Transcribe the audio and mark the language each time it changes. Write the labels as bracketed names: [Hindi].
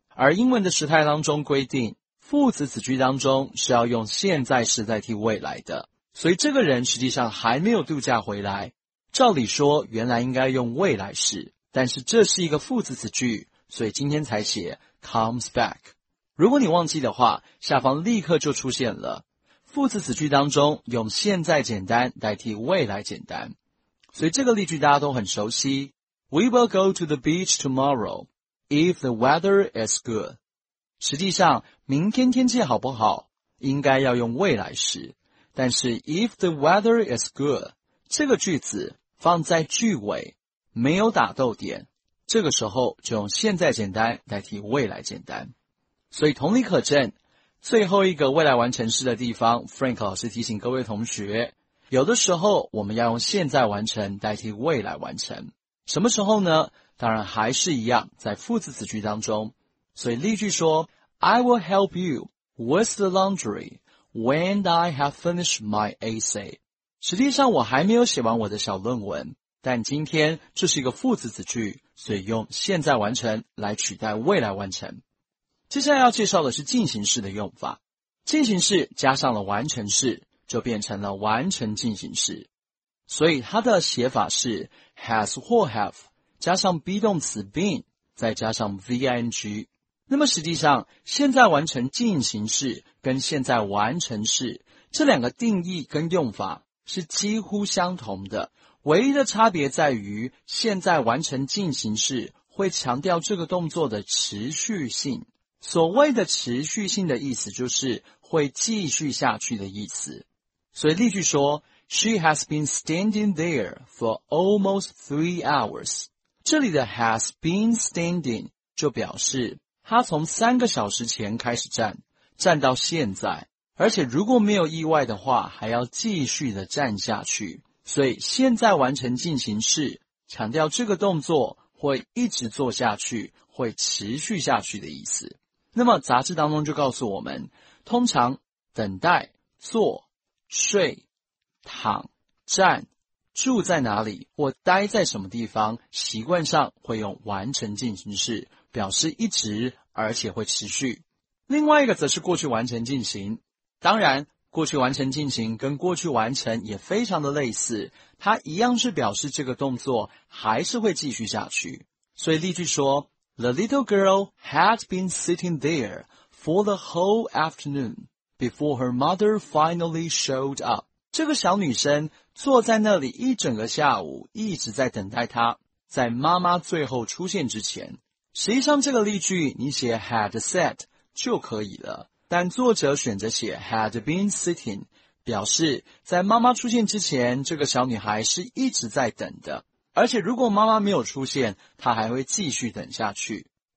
[Chinese] 而英文的时态当中规定，副子子句当中是要用现在时代替未来的，所以这个人实际上还没有度假回来，照理说原来应该用未来式，但是这是一个副子子句，所以今天才写 [English] comes back。 [Chinese] 如果你忘记的话，下方立刻就出现了副子子句当中用现在简单代替未来简单，所以这个例句大家都很熟悉。 [English] We will go to the beach tomorrow if the weather is good。 [Chinese] 实际上明天天气好不好应该要用未来时，但是 [English] if the weather is good [Chinese] 这个句子放在句尾没有打逗点，这个时候就用现在简单代替未来简单。所以同理可证，最后一个未来完成式的地方， Frank 老师提醒各位同学，有的时候我们要用现在完成代替未来完成，什么时候呢？当然还是一样在副子子句当中。所以例句说 [English] I will help you with the laundry when I have finished my essay。 [Chinese] 实际上我还没有写完我的小论文，但今天这是一个副子子句，所以用现在完成来取代未来完成。接下来要介绍的是进行式的用法，进行式加上了完成式就变成了完成进行式，所以它的写法是 has 或 have 加上 be 动词 been 再加上 ving。那么实际上现在完成进行式跟现在完成式这两个定义跟用法是几乎相同的，唯一的差别在于现在完成进行式会强调这个动作的持续性，所谓的持续性的意思就是会继续下去的意思。所以例句说 [English] She has been standing there for almost 3 hours。 [Chinese] 这里的 [English] has been standing [Chinese] 就表示他从三个小时前开始站，站到现在，而且如果没有意外的话还要继续的站下去，所以现在完成进行式强调这个动作会一直做下去，会持续下去的意思。那么杂志当中就告诉我们，通常等待、坐、睡、躺、站、住在哪里或待在什么地方习惯上会用完成进行式，表示一直而且会持续。另外一个则是过去完成进行，当然过去完成进行跟过去完成也非常的类似，它一样是表示这个动作还是会继续下去。所以例句说 [English] The little girl had been sitting there for the whole afternoon before her mother finally showed up。 [Chinese] 这个小女生坐在那里一整个下午一直在等待她，在妈妈最后出现之前。实际上这个例句你写 [English] had sat [Chinese] 就可以了，但作者选择写 [English] had been sitting [Chinese] 表示在妈妈出现之前这个小女孩是一直在等的，而且如果妈妈没有出现她还会继续等下去。